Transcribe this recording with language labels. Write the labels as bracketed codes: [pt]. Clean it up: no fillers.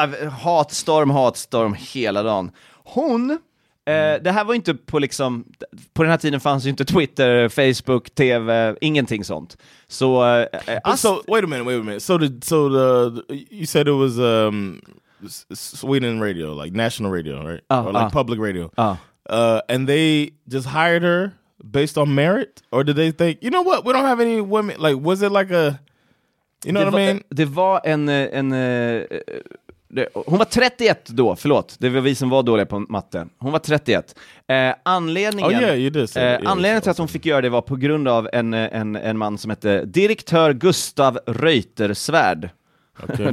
[sv] Hatstorm hela dagen. Hon, det här var inte på liksom, på den här tiden fanns ju inte Twitter, Facebook, tv, ingenting sånt. Så, [en] Wait a minute. You said it was Sweden radio, like national radio, right? Public radio. And they just hired her based on merit, or did they think, you know what, we don't have any women, like, was it like a, you know [sv] det [en] what [sv] var, [en] I mean? [sv] Det var en hon var 31 då, förlåt, det var vi som var dåliga på matte. Hon var 31. Anledningen till att hon fick göra det var på grund av en man som hette direktör Gustav Reutersvärd. Okay.